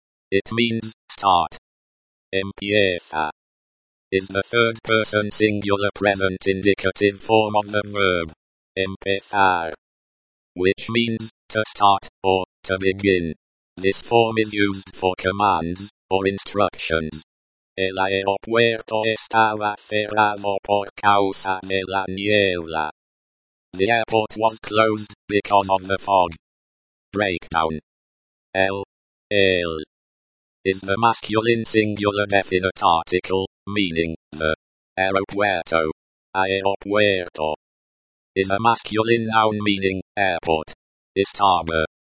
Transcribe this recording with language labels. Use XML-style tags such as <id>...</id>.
<en>It means start. Empieza is the third person singular present indicative form of the verb empezar, which means to start or to begin. This form is used for commands or instructions.</en> <es>El aeropuerto estaba cerrado por causa de la niebla.</es> <en>The airport was closed because of the fog. Breakdown. El is the masculine singular definite article, meaning the. Aeropuerto. Aeropuerto is a masculine noun meaning airport. Estaba.</en>